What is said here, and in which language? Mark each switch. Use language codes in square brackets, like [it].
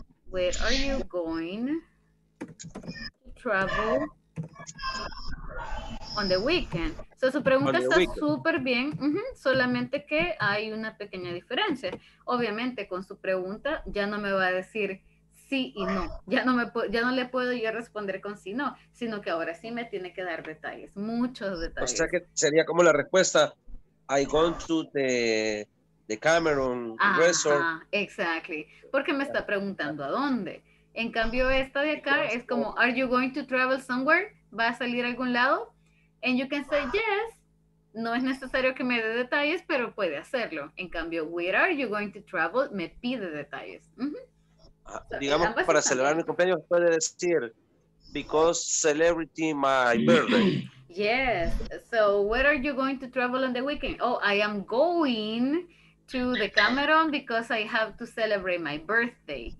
[en] Where are you going to travel on the weekend? [es] So, su pregunta está súper bien, solamente que hay una pequeña diferencia. Obviamente, con su pregunta ya no me va a decir sí y no. Ya no, ya no le puedo yo responder con sí, no, sino que ahora sí me tiene que dar detalles, muchos detalles. O sea que sería como la respuesta, [en] I gone to the Cameron Resort. [es] Exactly, porque me está preguntando a dónde. En cambio, esta de acá es como, [en] are you going to travel somewhere? [es] ¿Va a salir a algún lado? [en] And you can say yes. [es] No es necesario que me dé detalles, pero puede hacerlo. En cambio, [en] where are you going to travel? [es] Me pide detalles. Digamos, para celebrar mi cumpleaños, puede decir, [en] because celebrity my birthday. Yes. So, where are you going to travel on the weekend? Oh, I am going to the Cameron because I have to celebrate my birthday.